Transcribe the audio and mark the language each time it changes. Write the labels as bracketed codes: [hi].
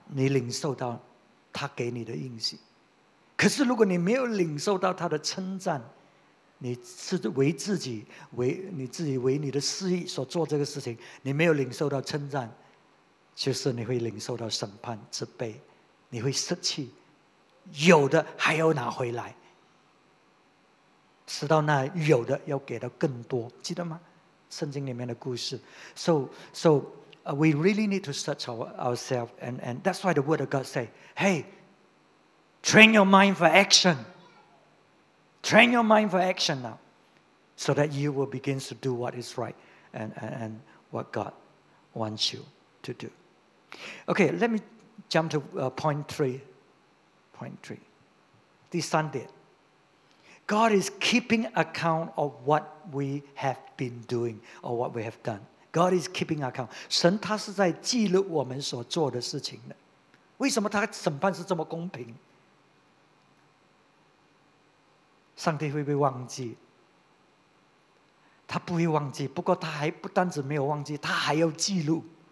[zh] 你领受到他给你的应许。可是如果你没有领受到他的称赞，你是为你的私欲所做这个事情，你没有领受到称赞，就是你会领受到审判、责备，你会失去。有的还要拿回来，直到那有的要给到更多，记得吗？圣经里面的故事。 [en] So, we really need to search ourselves, and that's why the word of God say, hey, train your mind for action. Train your mind for action now, so that you will begin to do what is right and what God wants you to do. Okay, let me jump to point three. Point three. [zh] 第三点， [en] God is keeping account of what we have been doing or what we have done. God is keeping account. [zh] 神他是在记录我们所做的事情的。为什么他审判是这么公平？上帝会不会忘记？他不会忘记，不过他还不单止没有忘记，他还要记录。